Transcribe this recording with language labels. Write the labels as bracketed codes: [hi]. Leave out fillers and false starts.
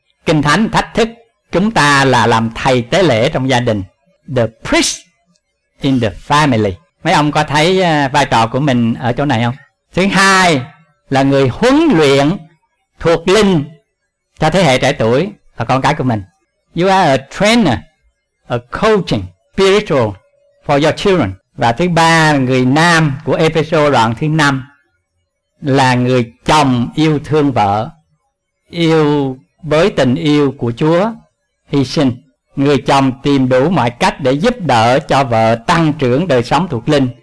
[vi] Kinh Thánh thách thức chúng ta là làm thầy tế lễ trong gia đình, [en] the priest in the family. [vi] Mấy ông có thấy vai trò của mình ở chỗ này không? Thứ hai là người huấn luyện thuộc linh cho thế hệ trẻ tuổi và con cái của mình. [en] You are a trainer, a coaching spiritual for your children. [vi] Và thứ ba, người nam của Ephesos đoạn thứ 5 là người chồng yêu thương vợ, yêu với tình yêu của Chúa, hy sinh. Người chồng tìm đủ mọi cách để giúp đỡ cho vợ tăng trưởng đời sống thuộc linh.